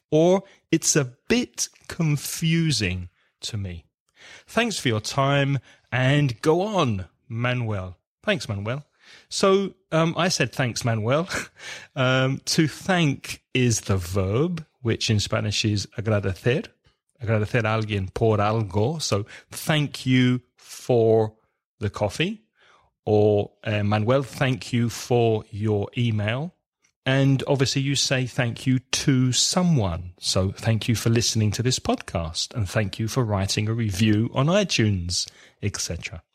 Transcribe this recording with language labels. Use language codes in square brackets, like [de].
[en] Or, "It's a bit confusing to me." "Thanks for your time and go on, Manuel." Thanks, Manuel. So I said thanks, Manuel. To thank is the verb, which in Spanish is agradecer. [es] Agradecer a alguien por algo. [en] So thank you for the coffee. Or Manuel, thank you for your email. And obviously you say thank you to someone. So thank you for listening to this podcast. And thank you for writing a review on iTunes, etc.